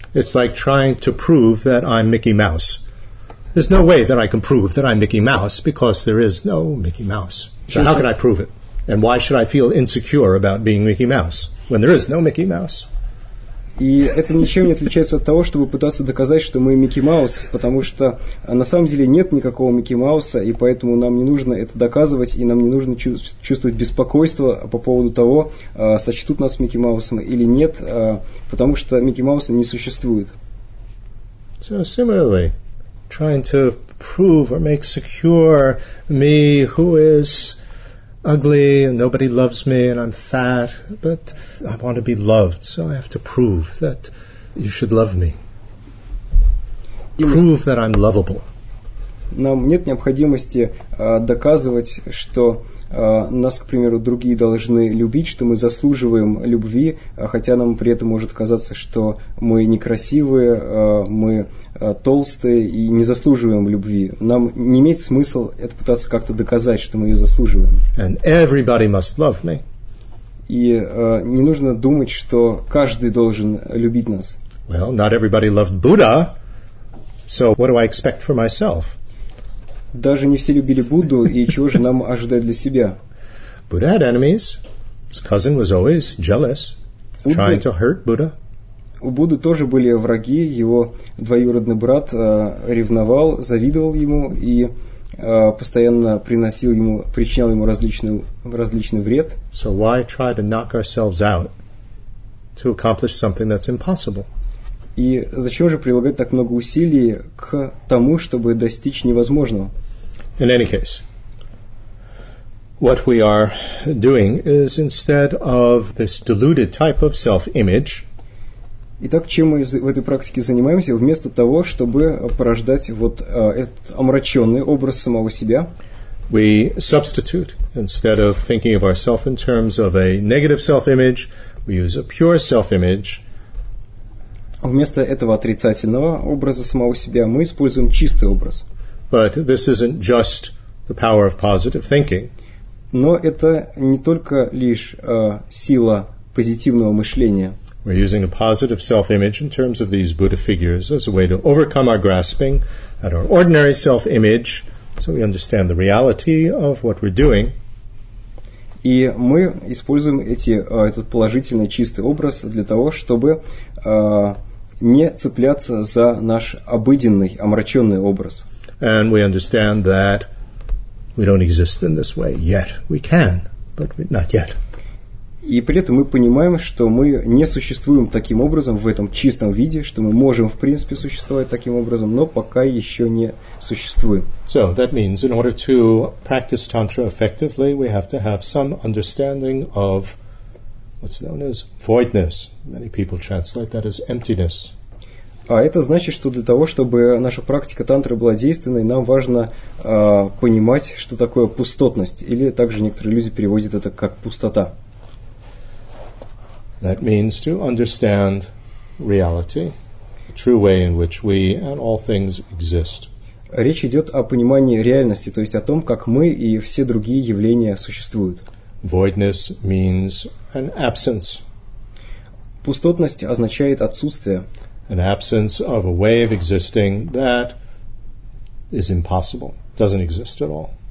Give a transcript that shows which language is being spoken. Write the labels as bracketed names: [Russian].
[English] It's like trying to prove that I'm Mickey Mouse. There's no way that I can prove that I'm Mickey Mouse, because there is no Mickey Mouse. So how can I prove it? And why should I feel insecure about being Mickey Mouse when there is no Mickey Mouse? [Russian] И это ничем не отличается от того, чтобы пытаться доказать, что мы Микки Маус, потому что на самом деле нет никакого Микки Мауса, и поэтому нам не нужно это доказывать, и нам не нужно чувствовать беспокойство по поводу того, сочтут нас Микки Маусом или нет, потому что Микки Мауса не существует. [English] So similarly, trying to prove or make secure me who is ugly and nobody loves me and I'm fat, but I want to be loved, so I have to prove that you should love me. Prove that I'm lovable. [Russian] Нам нет необходимости доказывать, что нас, к примеру, другие должны любить, что мы заслуживаем любви, хотя нам при этом может казаться, что мы некрасивые, мы толстые и не заслуживаем любви. Нам не имеет смысла это пытаться как-то доказать, что мы ее заслуживаем. [English] And everybody must love me. [Russian] И не нужно думать, что каждый должен любить нас. [English] Well, not everybody loved Buddha, so what do I expect for myself? [Russian] Даже не все любили Будду, и чего же нам ожидать для себя? [English] Buddha had enemies. His cousin was always jealous, trying to hurt Buddha. [Russian] У Будды тоже были враги. Его двоюродный брат ревновал, завидовал ему и постоянно приносил ему, причинял ему различный вред. [English] So why try to knock ourselves out to accomplish something that's impossible? [Russian] И зачем же прилагать так много усилий к тому, чтобы достичь невозможного? [English] In any case, what we are doing is instead of this deluded type of self-image. [Russian] Итак, чем мы в этой практике занимаемся, вместо того, чтобы порождать вот этот омраченный образ самого себя? [English] We substitute, instead of thinking of ourselves in terms of a negative self-image, we use a pure self-image. [Russian] Вместо этого отрицательного образа самого себя мы используем чистый образ. [English] But this isn't just the power of positive thinking. [Russian] Но это не только лишь сила позитивного мышления. [English] We're using a positive self-image in terms of these Buddha figures as a way to overcome our grasping at our ordinary self-image, so we understand the reality of what we're doing. [Russian] И мы используем этот положительный чистый образ для того, чтобы не цепляться за наш обыденный, омраченный образ. [English] And we understand that we don't exist in this way yet. We can, but not yet. [Russian] И при этом мы понимаем, что мы не существуем таким образом, в этом чистом виде, что мы можем, в принципе, существовать таким образом, но пока еще не существуем. [English] So, that means in order to practice tantra effectively, we have to have some understanding of what's known as voidness. Many people translate that as emptiness. [Russian] А это значит, что для того, чтобы наша практика тантры была действенной, нам важно понимать, что такое пустотность, или также некоторые люди переводят это как пустота. [English] That means to understand reality, the true way in which we and all things exist. [Russian] Речь идет о понимании реальности, то есть о том, как мы и все другие явления существуют. [English] Voidness means an absence. [Russian] Пустотность означает отсутствие. [English] An absence of a way of existing that is impossible, doesn't exist at all.